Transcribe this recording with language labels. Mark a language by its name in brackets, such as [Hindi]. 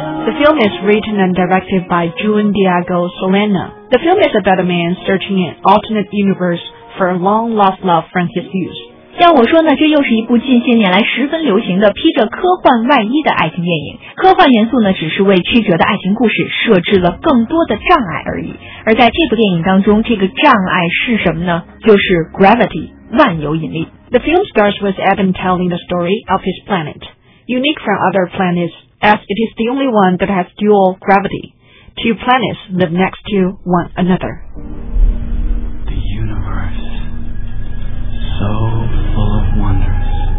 [English] The film is written and directed by Juan Diego Solana. The film is about a man searching an alternate universe for a long-lost love from his youth. [Chinese] 像我说呢，这又是一部近些年来十分流行的披着科幻外衣的爱情电影。科幻元素呢，只是为曲折的爱情故事设置了更多的障碍而已。而在这部电影当中，这个障碍是什么呢？就是 gravity, 万有引力。 [English] The film starts with Evan telling the story of his planet. Unique from other planets,as it is the only one that has dual gravity. Two planets live next to one another. The universe, so full of wonders.